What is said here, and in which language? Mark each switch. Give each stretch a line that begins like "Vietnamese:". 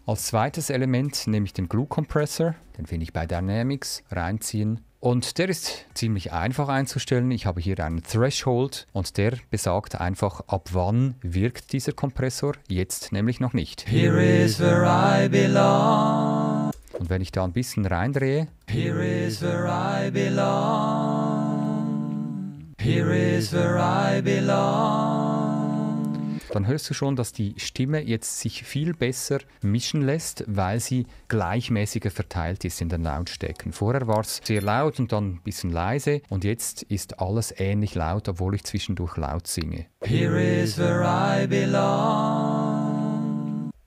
German: Als zweites Element nehme ich den Glue Compressor, den finde ich bei Dynamics, reinziehen. Und der ist ziemlich einfach einzustellen. Ich habe hier einen Threshold und der besagt einfach, ab wann wirkt dieser Kompressor, jetzt nämlich noch nicht.
English: Here is where I belong.
German: Und wenn ich da ein bisschen reindrehe.
English: Here is where I belong. Here is where I belong.
German: dann hörst du schon, dass die Stimme jetzt sich viel besser mischen lässt, weil sie gleichmäßiger verteilt ist in den Lautstärken. Vorher war es sehr laut und dann ein bisschen leise und jetzt ist alles ähnlich laut, obwohl ich zwischendurch laut singe.
English: Here is where I belong.